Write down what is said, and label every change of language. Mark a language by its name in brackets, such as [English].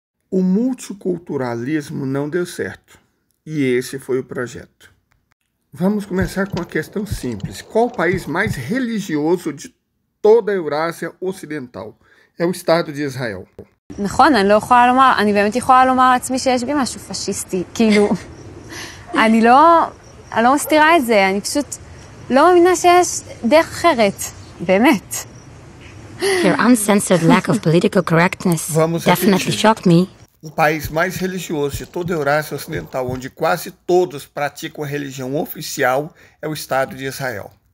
[Portuguese] O multiculturalismo não deu certo. E esse foi o projeto. Vamos começar com uma questão simples. Qual o país mais religioso de toda a Eurásia Ocidental? É o Estado de Israel. [Hebrew] נכון, אני לא יכולה לומר, אני באמת יכולה לומר עצמי שיש בי משהו פשיסטי, כאילו, אני לא מסתירה את זה, אני פשוט לא מאמינה שיש דרך אחרת, באמת. [English] Your uncensored lack of political correctness definitely shocked me. [Portuguese] O país mais religioso de toda a Eurásia Ocidental, onde quase todos praticam a religião oficial, é o Estado de Israel.